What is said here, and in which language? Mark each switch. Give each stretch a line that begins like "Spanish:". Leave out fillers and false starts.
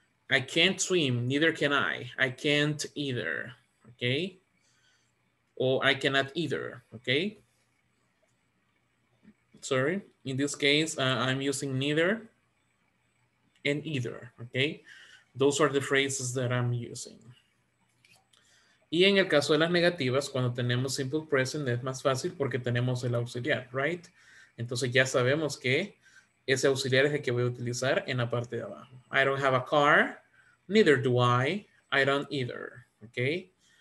English: I can't swim, neither can I. I can't either, okay? Or I cannot either, okay? Sorry, in this case, I'm using neither and either, okay? Those are the phrases that I'm using.
Spanish: Y en el caso de las negativas, cuando tenemos simple present, es más fácil porque tenemos el auxiliar, right? Entonces ya sabemos que ese auxiliar es el que voy a utilizar en la parte de abajo.
English: I don't have a car, neither do I, I don't either, okay?